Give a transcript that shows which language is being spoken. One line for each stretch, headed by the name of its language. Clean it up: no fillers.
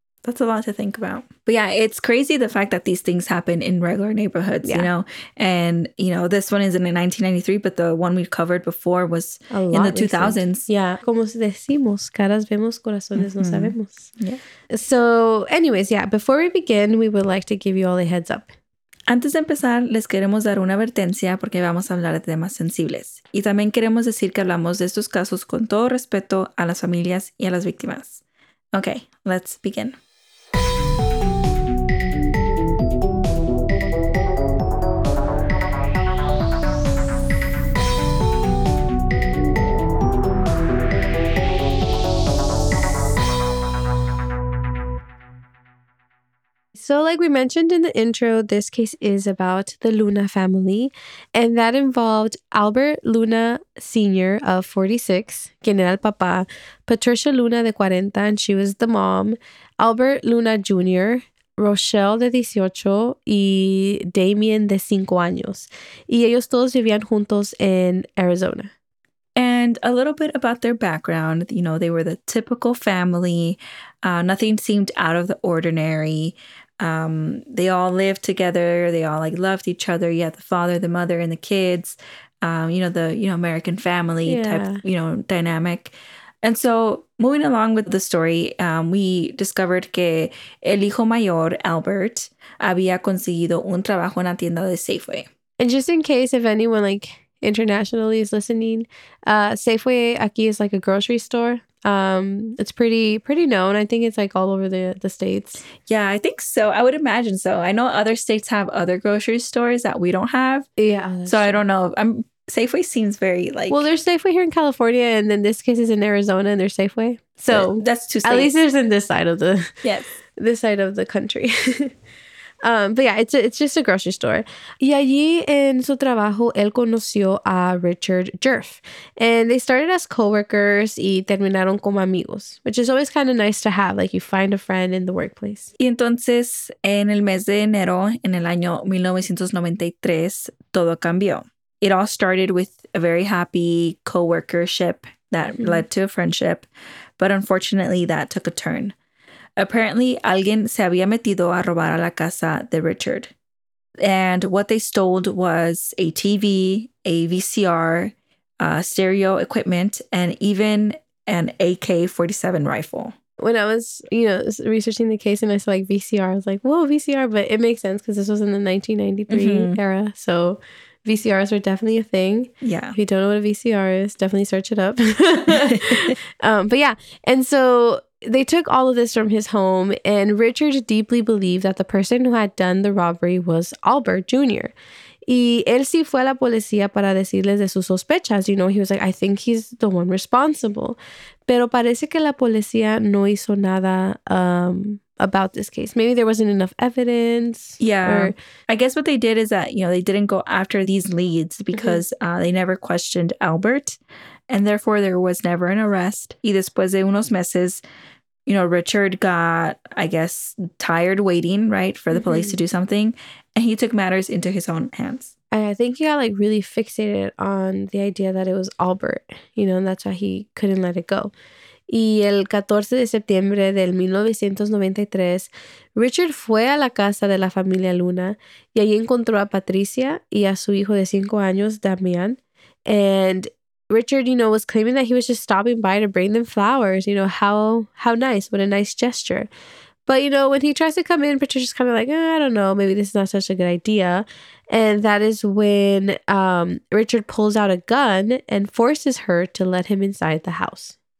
English: That's a lot to think about. But yeah, it's crazy the fact that these things happen in regular neighborhoods, you know? And, you know, this one is in 1993, but the one we've covered before was in the 2000s. Recent. Yeah.
Spanish: Como decimos, caras vemos, corazones no sabemos.
English: Yeah. So anyways, yeah, before we begin, we would like to give you all a heads up.
Spanish: Antes de empezar, les queremos dar una advertencia porque vamos a hablar de temas sensibles. Y también queremos decir que hablamos de estos casos con todo respeto a las familias y a las víctimas.
English: Okay, let's begin. Okay. So like we mentioned in the intro, this case is about the Luna family, and that involved Albert Luna Sr. of 46,
Spanish: quien era el papá, Patricia Luna de 40,
English: and she was the mom,
Spanish: Albert Luna Jr., Rochelle de 18 y Damien de 5 años. Y ellos todos vivían juntos en Arizona.
English: And a little bit about their background, you know, they were the typical family. Nothing seemed out of the ordinary. They all lived together. They all like loved each other. You had the father, the mother, and the kids, you know, the, you know, American family type, you know, dynamic. And so moving along with the story, we discovered
Spanish: que el hijo mayor, Albert, había conseguido un trabajo en la tienda de Safeway.
English: And just in case if anyone like internationally is listening, Safeway aquí is like a grocery store. It's pretty known. I think it's like all over the states. Yeah, I think so. I would imagine so. I know other states have other grocery stores that we don't have. Yeah. So true. I don't know. Safeway seems very like... Well, there's Safeway here in California, and then this case is in Arizona and there's Safeway. So that's two states. At least there's in this side of the... Yes. This side of the country. but yeah, it's just a grocery store.
Spanish: Y allí en su trabajo, él conoció a Richard Jerf.
English: And they started as coworkers
Spanish: y terminaron como amigos,
English: which is always kind of nice to have. Like, you find a friend in the workplace.
Spanish: Y entonces, en el mes de enero, en el año 1993, todo cambió.
English: It all started with a very happy co-workership that led to a friendship. But unfortunately, that took a turn.
Spanish: Apparently, alguien se había metido a robar a la casa de Richard.
English: And what they stole was a TV, a VCR, stereo equipment, and even an AK-47 rifle. When I was, you know, researching the case and I saw like VCR, I was like, whoa, VCR. But it makes sense because this was in the 1993 era. So VCRs are definitely a thing. Yeah. If you don't know what a VCR is, definitely search it up. but yeah, and so they took all of this from his home, and Richard deeply believed that the person who had done the robbery was Albert Jr.
Spanish: Y él sí fue a la policía para decirles de sus sospechas.
English: You know, he was like, I think he's the one responsible.
Spanish: Pero parece que la policía no hizo nada
English: about this case. Maybe there wasn't enough evidence. Yeah. Or I guess what they did is that, you know, they didn't go after these leads because they never questioned Albert. And therefore, there was never an arrest.
Spanish: Y después de unos meses,
English: you know, Richard got, I guess, tired waiting, right, for the police to do something. And he took matters into his own hands. I think he got, like, really fixated on the idea that it was Albert, you know, and that's why he couldn't let it go.
Spanish: Y el 14 de septiembre del 1993, Richard fue a la casa de la familia Luna y allí encontró a Patricia y a su hijo de 5 años, Damian.
English: And Richard, you know, was claiming that he was just stopping by to bring them flowers. You know, how nice, what a nice gesture. But, you know, when he tries to come in, Patricia's kind of like, eh, I don't know, maybe this is not such a good idea. And that is when Richard pulls out a gun and forces her to let him inside the house.